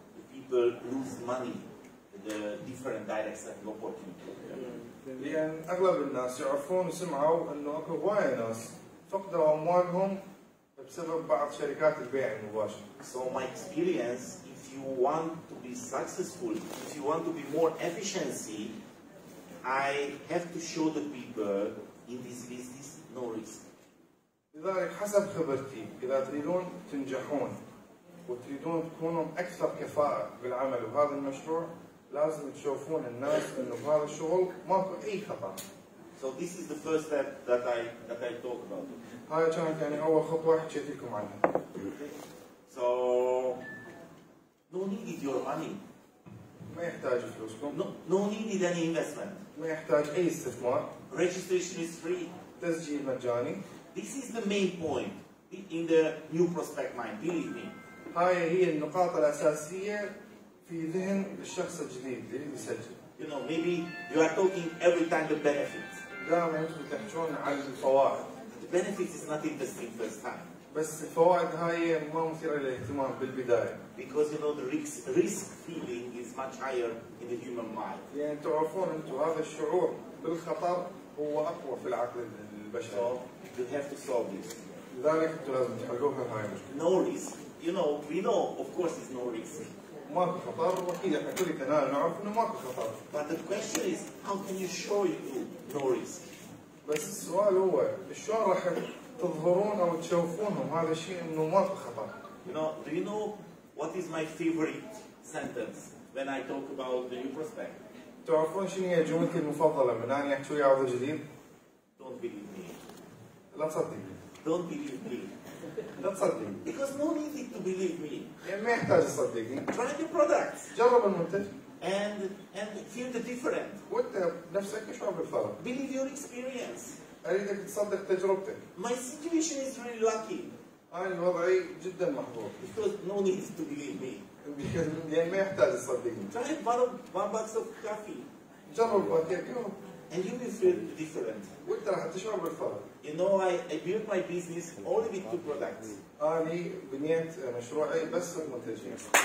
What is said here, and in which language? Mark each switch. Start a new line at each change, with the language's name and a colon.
English: The people lose money the different direct selling opportunity.
Arabic: لان اغلب الناس يعرفون وسمعوا انه اكو هواي ناس فقدوا اموالهم بسبب بعض شركات البيع المباشر.
English: So my experience, if you want to be successful, if you want to be more efficiency, I have to show the people in this business no risk.
Arabic: لذلك حسب خبرتي إذا تريدون تنجحون وتريدون تكونوا أكثر كفاءة بالعمل بهذا المشروع لازم تشوفون الناس إنه بهذا الشغل ماكو أي خطأ.
English: So this is the first step that I talk about.
Arabic: هاي كانت يعني أول خطوة حكيت لكم عنها.
English: So no need is your money.
Arabic: ما يحتاج فلوسكم.
English: No need is any investment.
Arabic: ما يحتاج أي استثمار.
English: Registration is free.
Arabic: تسجيل مجاني.
English: This is the main point in the new prospect mind. Believe me.
Arabic: هاي هي النقاط الأساسية في ذهن الشخص الجديد اللي بيسجل.
English: You know, maybe you are talking every time the benefits.
Arabic: دائما أنتم تحكون عن الفوائد.
English: The benefits is not interesting first time.
Arabic: بس الفوائد هاي ما مثيرة للاهتمام بالبداية.
English: Because you know the risk feeling is much higher in the human mind.
Arabic: يعني تعرفون أنتوا هذا الشعور بالخطر هو أقوى في العقل البشري.
English: So you have to solve this.
Arabic: لذلك أنتوا لازم تحلوها هاي المشكلة.
English: No risk. You know, we know of course it's no risk.
Arabic: ماكو خطر وأكيد إحنا كل كنا نعرف إنه ماكو خطر.
English: But the question is how can you show you no risk?
Arabic: بس السؤال هو شلون راح تظهرون او تشوفونهم هذا الشيء انه ما في خطر.
English: You know, do you know what is my favorite sentence when I talk about the new prospect?
Arabic: تعرفون شنو هي جملتي المفضلة من أنا أحكي وياه هذا الجديد؟
English: Don't believe me.
Arabic: لا تصدقني.
English: Don't believe me.
Arabic: لا تصدقني.
English: Because no need to believe me.
Arabic: ما يحتاج تصدقني.
English: Try the products.
Arabic: جرب المنتج.
English: And feel the difference.
Arabic: وانت نفسك شعور بالفرق.
English: Believe your experience.
Arabic: أريدك تصدق تجربتك.
English: My situation is really lucky.
Arabic: أنا وضعي جدا محظوظ.
English: Because no need to believe me.
Arabic: يعني ما يحتاج تصدقني.
English: Try one box of coffee.
Arabic: جرب باكيت قهوة.
English: And you will feel different.
Arabic: وانت راح تشعر بالفرق.
English: You know I built my business only with two products.
Arabic: أنا بنيت مشروعي بس بمنتجين.